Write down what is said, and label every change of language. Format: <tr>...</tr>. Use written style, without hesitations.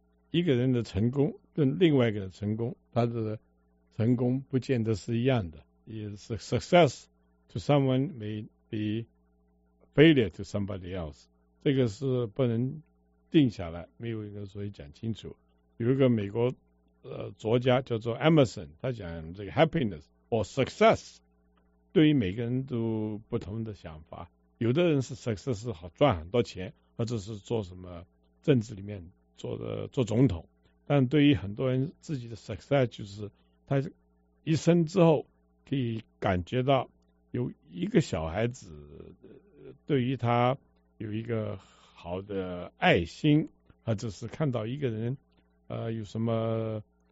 <zh>一个人的成功跟另外一个人成功，他的成功不见得是一样的。</zh> <en>Success to someone may be failure to somebody else.</en> <zh>这个是不能定下来，没有一个所以讲清楚。有一个美国作家叫做 Emerson， 他讲这个</zh> <en>happiness or success</en> <zh>对于每个人都不同的想法。有的人是 success 是好赚很多钱，或者是做什么政治里面做总统，但对于很多人自己的 success 就是他一生之后可以感觉到有一个小孩子对于他有一个好的爱心，或者是看到一个人有什么</zh>